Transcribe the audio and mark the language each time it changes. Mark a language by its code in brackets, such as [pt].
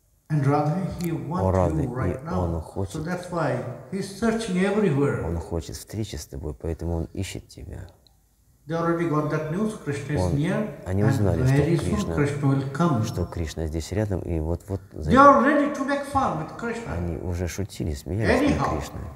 [en] And rather he wants you right now. [ru] Хочет, [en] so that's why he's searching everywhere. [ru] Он хочет встречи с тобой, поэтому он ищет тебя. [en] They already got that news. Krishna is near. [ru] Они узнали, [en] and [ru] что Кришна, [en] Krishna will come. [ru] Что Кришна здесь рядом, и вот-вот. [en] They are ready to make fun with Krishna. [ru] Они уже шутили, смеялись над Кришной.